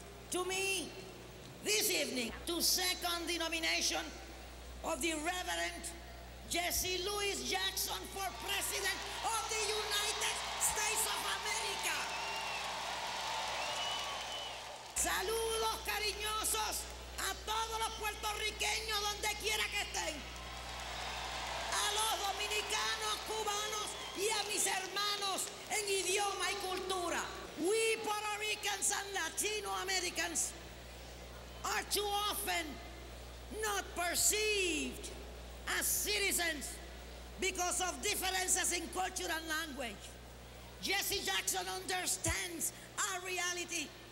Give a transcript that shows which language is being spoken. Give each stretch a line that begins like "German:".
English: To me, this evening, to second the nomination of the Reverend Jesse Lewis Jackson for President of the United States of America.
Spanish: Saludos cariñosos a todos los puertorriqueños donde quiera que estén, a los dominicanos, cubanos, y a mis hermanos en idioma y cultura.
English: We Puerto Ricans and Latino Americans are too often not perceived as citizens because of differences in culture and language. Jesse Jackson understands our reality.